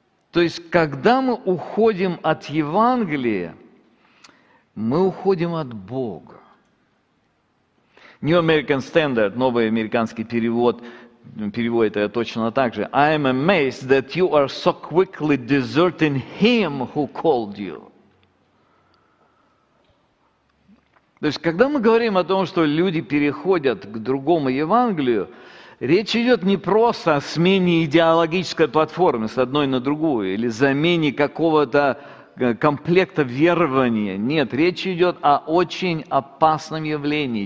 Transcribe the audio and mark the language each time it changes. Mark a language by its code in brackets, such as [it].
[ru] То есть, когда мы уходим от Евангелия, мы уходим от Бога. New American Standard, новый американский перевод, переводит это точно так же. [en] «I am amazed that you are so quickly deserting him who called you». [ru] То есть, когда мы говорим о том, что люди переходят к другому Евангелию, речь идет не просто о смене идеологической платформы с одной на другую или замене какого-то комплекта верования. Нет, речь идет о очень опасном явлении.